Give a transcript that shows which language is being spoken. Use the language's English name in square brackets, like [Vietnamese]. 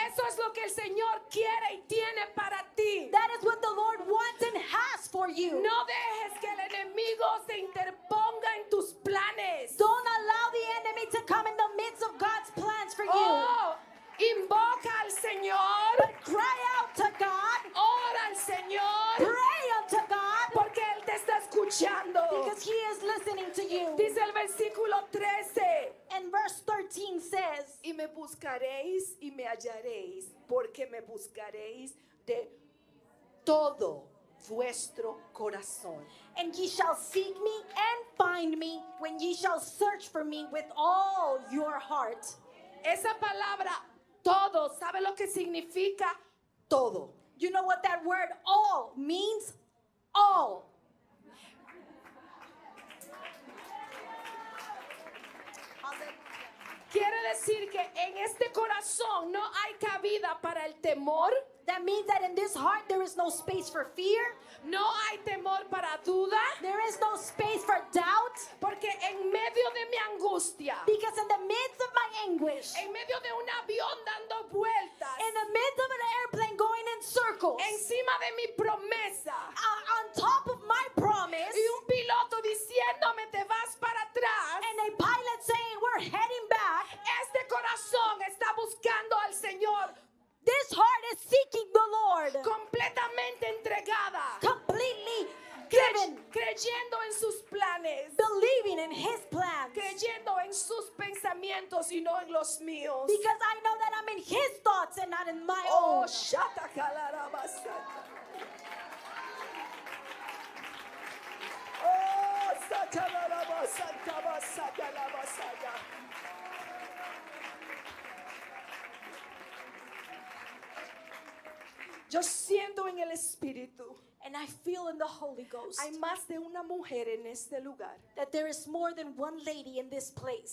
[Spanish] Eso es lo que el Señor quiere y tiene para ti. [English] That is what the Lord wants and has for you. [Spanish] No dejes que el enemigo se interponga en tus planes. [English] Don't allow the enemy to come in the midst of God's plans for you. [Spanish] Invoca al Señor. [English] But cry out to God. [Spanish] Ora al Señor. [English] Pray unto God. [Spanish] Porque Él te está escuchando. [English] Because He is listening to you. [Spanish] Dice el versículo 13. [English] And verse 13 says, [Spanish] y me buscaréis y me hallaréis, porque me buscaréis de todo vuestro corazón. [English] And ye shall seek me and find me when ye shall search for me with all your heart. [Spanish] Esa palabra todo, ¿sabe lo que significa? Todo. [English] You know what that word all means? All. [Spanish] Quiere decir que en este corazón no hay cabida para el temor. [English] That means that in this heart there is no space for fear. [Spanish] No hay temor para duda. [English] There is no space for doubt. [Spanish] Porque en medio de mi angustia. [English] Because in the midst of my anguish. [Spanish] En medio de un avión dando vueltas. [English] In the midst of an airplane going in circles. [Spanish] Encima de mi promesa. [English] On top of my promise. [Spanish] Y un piloto diciéndome te vas para atrás. [English] And a pilot saying we're heading back. [Spanish] Este corazón está buscando al Señor. [English] This heart is seeking the Lord. [Spanish] Completamente entregada. [English] Completely given. [Spanish] Creyendo en sus planes. [English] Believing in his plans. [Spanish] Creyendo en sus pensamientos y no en los míos. [English] Because I know that I'm in his thoughts and not in my own. Oh, shata kalarabasa. Oh, shata kalarabasa, kabasa kalabasa. [Spanish] Yo siento en el Espíritu. [English] And I feel in the Holy Ghost. [Spanish] Hay más de una mujer en este lugar. [English] That there is more than one lady in this place.